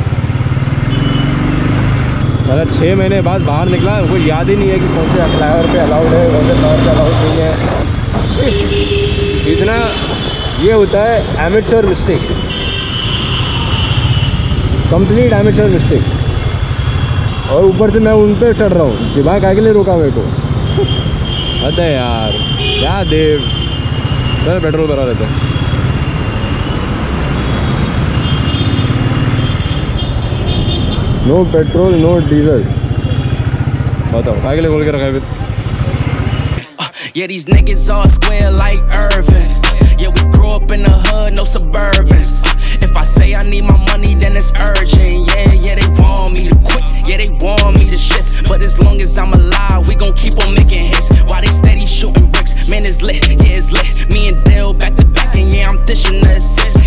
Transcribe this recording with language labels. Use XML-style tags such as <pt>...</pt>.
<hi>अरे 6 महीने बाद बाहर निकला, वो याद ही नहीं है कि कौन से फ्लाईओवर पे अलाउड है, कौन से टावर पे अलाउड नहीं है. इतना ये होता है amateur mistake, complete amateur mistake. और ऊपर से मैं उन पर चढ़ रहा हूँ, दिमाग आगे ले रोका मेरे को. अरे यार क्या देव, सर पेट्रोल भरा देते. मैं नो पेट्रोल नो डीजल बताओ काय के लिए बोल के रखा है</hi> <en>Yeah, these niggas all square like Irving. Yeah, we grew up in the hood, no suburbans. If I say I need my money, then it's urgent. Yeah, yeah, they want me to quit. Yeah, they want me to shift. But as long as I'm alive, we gon' keep on making hits. Why they steady shooting bricks? Man, it's lit. Yeah, it's lit. Me and Dale back to back, and yeah, I'm dishing the assist.</en>